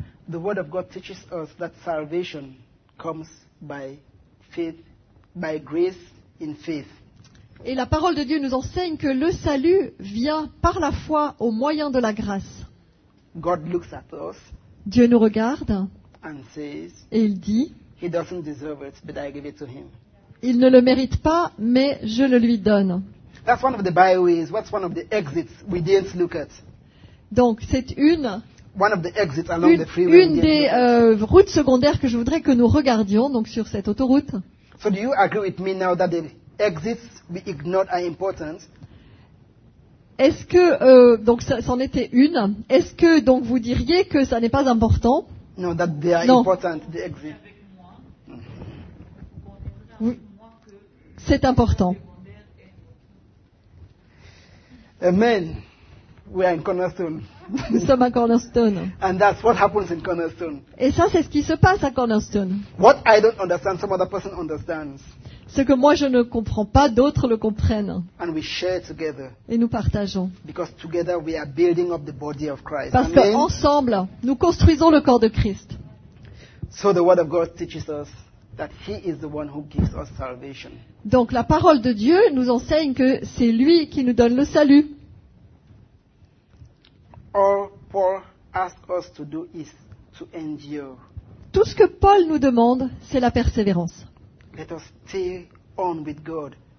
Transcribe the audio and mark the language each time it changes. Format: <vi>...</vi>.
<en>The word of God teaches us that salvation comes by faith, by grace in faith.</en> <fr>Et la parole de Dieu nous enseigne que le salut vient par la foi au moyen de la grâce.</fr> <en>God looks at us.</en> <fr>Dieu nous regarde.</fr> <en>And says,</en> <fr>et il dit,</fr> <en>he doesn't deserve it, but I give it to him.</en> <fr>Il ne le mérite pas, mais je le lui donne.</fr> <en>That's one of the byways. What's one of the exits we didn't look at?</en> <fr>Donc, c'est une.</fr> <en>One of the exits along the freeway.</en> <fr>Une des routes secondaires que je voudrais que nous regardions, donc sur cette autoroute.</fr> <en>So do you agree with me now that the exits we ignored are important?</en> <fr>Est-ce que donc ça, c'en était une? Est-ce que donc vous diriez que ça n'est pas important?</fr> <en>No, that they are</en> <fr>non.</fr> <en>Important, the exit.</en> <fr>Oui. C'est important.</fr> <en>Amen. We are in Cornerstone.</en> <fr>Nous sommes à Cornerstone.</fr> <en>And that's what happens in Cornerstone.</en> <fr>Et ça, c'est ce qui se passe à Cornerstone.</fr> <en>What I don't understand, some other person understands.</en> <fr>Ce que moi je ne comprends pas, d'autres le comprennent.</fr> <en>And we share together.</en> <fr>Et nous partageons.</fr> <en>Because together we are building up the body of Christ.</en> <fr>Parce qu'ensemble, nous construisons le corps de Christ.</fr> <en>So the word of God teaches us that he is the one who gives us salvation.</en> <fr>Donc la parole de Dieu nous enseigne que c'est lui qui nous donne le salut.</fr> <en>All Paul asks us to do is to endure.</en> <fr>Tout ce que Paul nous demande, c'est la persévérance.</fr> <en>Let us stay on with God.</en>